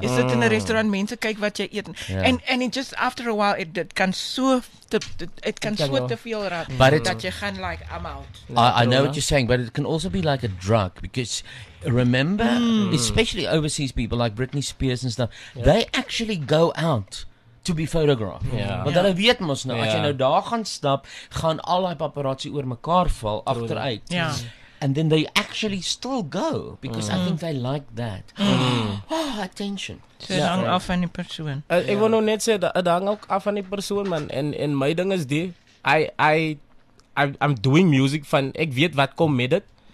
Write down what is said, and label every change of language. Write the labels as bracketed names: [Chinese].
[English] You sit in a restaurant, [Afrikaans] mense kyk wat jy eet. [English] Yeah. And it just after a while, it can so [Afrikaans] te veel raak, [English] that [Afrikaans] jy gaan [English] like, I'm out. I know what you're saying, but it can also be like a drug, because remember, especially overseas people like Britney Spears and stuff, they actually go out to be photographed. Yeah. [Afrikaans] Want hulle weet mos nou, as jy nou daar gaan stap, gaan al die paparazzi oor mekaar val agteruit. [English] Yeah. And then they actually still go, because I think they like that. Oh, attention. So it hangs off on the person. I want to net say that it hangs ook off on the person, man. And my thing is die, I'm doing music [Afrikaans] van, ek weet wat kom met dit.